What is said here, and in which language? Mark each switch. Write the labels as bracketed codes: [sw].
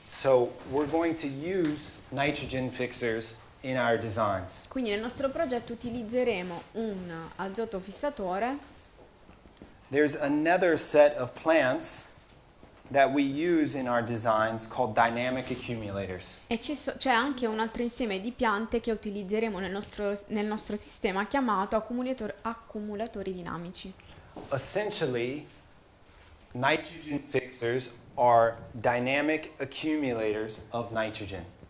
[en] So we're going to use nitrogen fixers in our designs. [it] Quindi nel nostro progetto utilizzeremo un azoto fissatore. [en] There's another set of plants that we use in our designs called dynamic accumulators. [it] E c'è anche un altro insieme di piante che utilizzeremo nel nostro sistema chiamato accumulatori dinamici. [en] Essentially, nitrogen fixers are dynamic accumulators of nitrogen.